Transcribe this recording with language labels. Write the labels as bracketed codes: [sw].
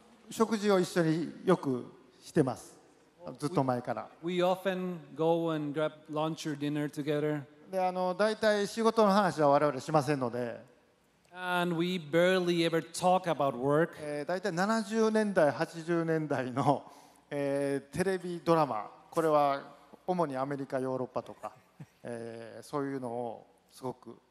[ja] 食事を一緒によくしてます。ずっと前から。 [en] We often go and grab lunch or dinner together. [ja] で、だいたい仕事の話は我々しませんので。 [en] And we barely ever talk about work. [ja] だいたい70年代、80年代の、テレビドラマ、これは主にアメリカ、ヨーロッパとか、そういうのをすごく。